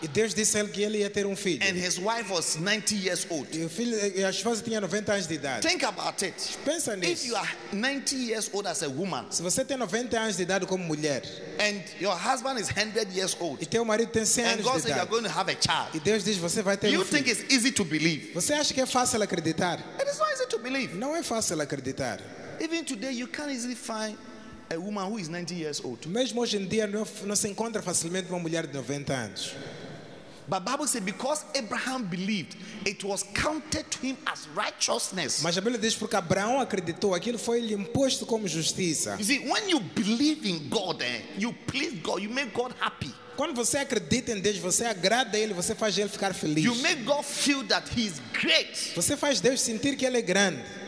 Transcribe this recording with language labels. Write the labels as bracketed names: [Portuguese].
[Portuguese] E Deus disse que ele ia ter um filho. [English] And his wife was 90 years old. [Portuguese] E o filho, a esposa tinha 90 anos de idade. [English] Think about it. [Portuguese] Pensa nisso. [English] If you are 90 years old as a woman. [Portuguese] Se você tem 90 anos de idade como mulher. [English] And your husband is 100 years old. [Portuguese] E teu marido tem 100 anos de idade. [English] And God said you are going to have a child. [Portuguese] E Deus diz você vai ter um filho. [English] You think it's easy to believe? [Portuguese] Você acha que é fácil acreditar? [English] It is not easy to believe. [Portuguese] Não é fácil acreditar. [English] Even today you can't easily find a woman who is 90 years old. [Portuguese] Mesmo hoje em dia não se encontra facilmente uma mulher de 90 anos. [English] But Bible says because Abraham believed, it was counted to him as righteousness. [Portuguese] Mas a Bíblia diz porque Abraão acreditou, aquilo foi lhe imposto como justiça. [English] You see, when you believe in God, you please God, you make God happy. [Portuguese] Quando você acredita em Deus, você agrada Ele, você faz Ele ficar feliz. [English] You make God feel that He is great. [Portuguese] Você faz Deus sentir que Ele é grande.